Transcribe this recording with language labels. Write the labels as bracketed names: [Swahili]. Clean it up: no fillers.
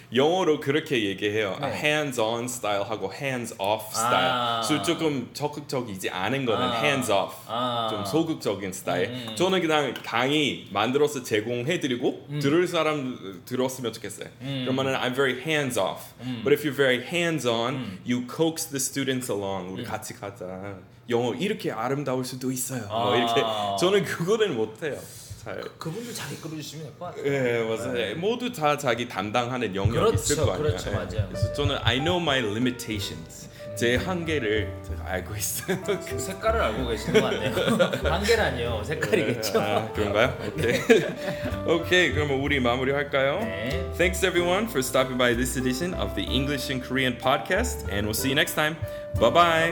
[Korean] 영어로 그렇게 얘기해요. 네. hands on style 하고 hands off off style. 그래서 조금 적극적이지 않은 거는 hands off. 좀 소극적인 스타일. 저는 그냥 강의 만들어서 제공해드리고 들을 사람 들었으면 좋겠어요. 그러면은 [English] I'm very hands off. But if you're very hands on, you coax the students along. [Korean] 우리 같이 가자. 영어 이렇게 아름다울 수도 있어요. 뭐 이렇게. 저는 그거는 못해요. 그분들 잘 이끌어주시면 될 것 같아요. 예, 맞아요. 네. 모두 다 자기 담당하는 영역이 있을 거 아니에요. 그렇죠, 맞아요. 그래서 저는 [English] I know my limitations. [Korean] 제 한계를 제가 알고 있어요. 색깔을 알고 계시는 것 같네요. 한계라니요. 색깔이겠죠. 아, 그런가요? 오케이. 네. 오케이, 그러면 우리 마무리할까요? 네. [English] Thanks everyone for stopping by this edition of the English and Korean podcast. And we'll see you next time. Bye-bye.